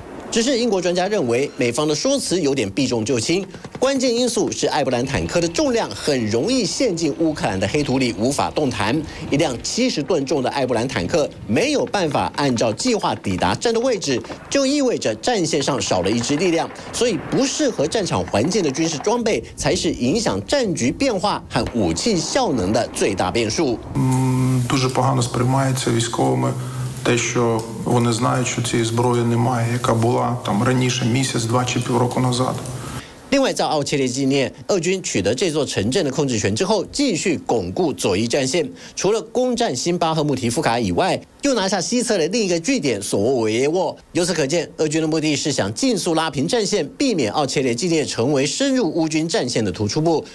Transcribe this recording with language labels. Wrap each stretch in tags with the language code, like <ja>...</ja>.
<zh>只是英国专家认为，美方的说辞有点避重就轻，关键因素是艾布兰坦克的重量很容易陷进乌克兰的黑土里无法动弹，一辆70吨重的艾布兰坦克没有办法按照计划抵达战斗位置，就意味着战线上少了一支力量，所以不适合战场环境的军事装备才是影响战局变化和武器效能的最大变数。</zh> <uk>дуже погано сприймається військовими те, що вони знають, що цієї зброї немає, яка була там раніше місяць-два чи півроку назад.</uk> <zh>另外，在奥切列纪念，俄军取得这座城镇的控制权之后，继续巩固左翼战线，除了攻占新巴赫穆提夫卡以外，又拿下西侧的另一个据点索沃维耶沃。由此可见，俄军的目的是想尽速拉平战线，避免奥切列纪念成为深入乌军战线的突出部。</zh>